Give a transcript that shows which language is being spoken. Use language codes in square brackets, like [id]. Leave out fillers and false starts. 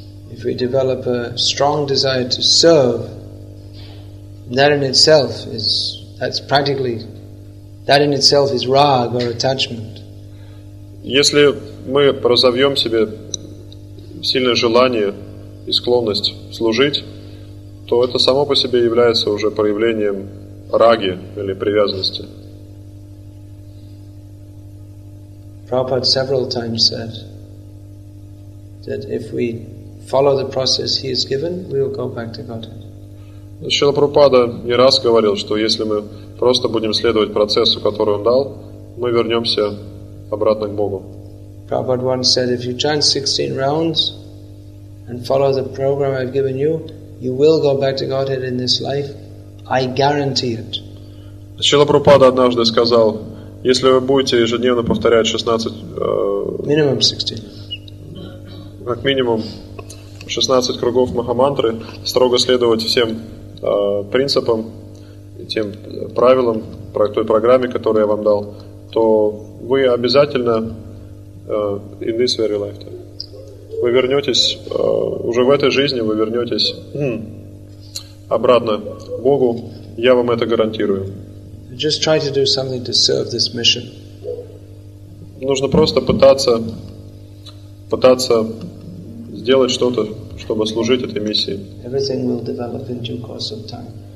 [en] If we develop a strong desire to serve, that in itself is that in itself is rag or attachment. [ru] Если мы разовьем себе сильное желание и склонность служить, то это само по себе является уже проявлением раги или привязанности. [en] Prabhupada several times said that if we follow the process he has given, we will go back to Godhead. [ru] Шрила Прабхупада не раз говорил, что если мы просто будем следовать процессу, который он дал, мы вернемся обратно к Богу. [en] Prabhupada once said, if you chant 16 rounds and follow the program I've given you, you will go back to Godhead in this life. I guarantee it. [ru] Шрила Прабхупада однажды сказал, если вы будете ежедневно повторять 16... [en] Minimum 16. [ru] Как минимум 16 кругов Махамантры, строго следовать всем принципам, тем правилам, той программе, которую я вам дал, то вы обязательно [en] in this very life, [ru] вы вернетесь, уже в этой жизни вы вернетесь обратно Богу, я вам это гарантирую. [en] Just try to do something to serve this mission. [ru] Нужно просто пытаться сделать что-то, чтобы служить этой миссии. [en] Everything will develop in due course of time.